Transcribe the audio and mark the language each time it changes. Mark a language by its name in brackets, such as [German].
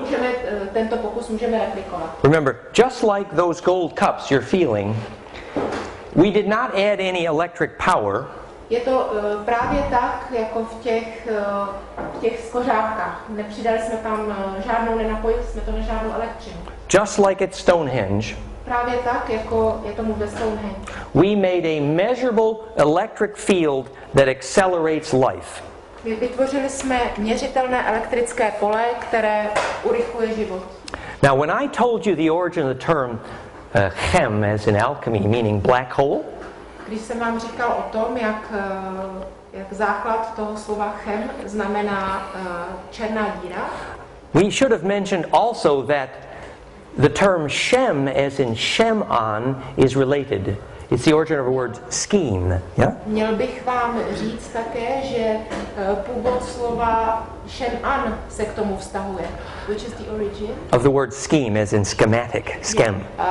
[Czech] můžeme tento pokus můžeme replikovat. [English] Remember, just like those gold cups you're feeling, we did not add any electric power. [Czech] Je to právě tak, jako v těch skořápkách. Nepřidali jsme tam žádnou, nenapojili jsme to na žádnou elektřinu. [English] Just like at Stonehenge. [Czech] Právě tak, jako je tomu ve Stonehenge. [English] We made a measurable electric field that accelerates life. [Czech] My vytvořili jsme měřitelné elektrické pole, které urychluje život. [English] Now, when I told you the origin of the term chem, as in alchemy, meaning black hole. [Czech] Když jsem vám říkal o tom, jak základ toho slova chem znamená černá díra. [English] We should have mentioned also that the term shem, as in shem-on, is related. It's the origin of the word scheme. Yeah? [Czech] Měl bych vám říct také, že původ slova shem-on se k tomu vztahuje. [English] Which is the origin? Of the word scheme, as in schematic, schem.